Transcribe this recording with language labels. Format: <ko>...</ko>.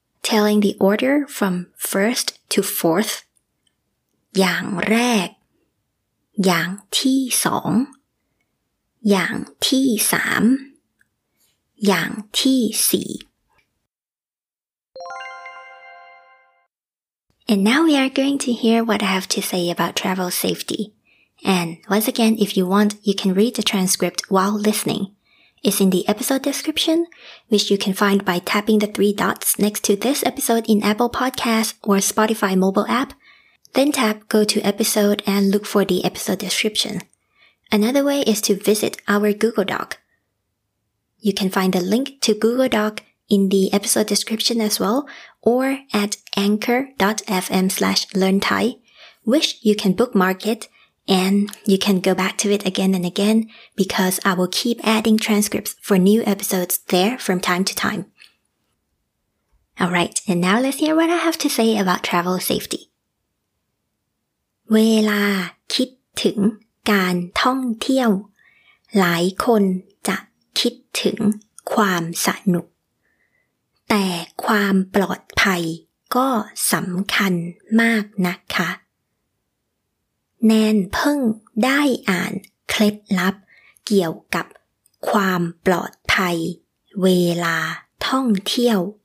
<en>telling the order from first to fourth</en> <th>อย่างแรกอย่างที่สองอย่างที่สามอย่างที่สี</th> <en>And now we are going to hear what I have to say about travel safety. And once again, if you want, you can read the transcript while listening. It's in the episode description, which you can find by tapping the three dots next to this episode in Apple Podcasts or Spotify mobile app. Then tap go to episode and look for the episode description. Another way is to visit our Google Doc. You can find the link to Google Doc in the episode description as well or at anchor.fm/learnthai, which you can bookmark it and you can go back to it again and again because I will keep adding transcripts for new episodes there from time to time. All right, and now let's hear what I have to say about travel safety.</en> <th>เวลาคิดถึงการท่องเที่ยวหลายคนจะคิดถึงความสนุกแต่ความปลอดภัยก็สำคัญมากนะคะแนนเพิ่งได้อ่านเคล็ดลับเกี่ยวกับความปลอดภัยเวลาท่องเที่ยว</th>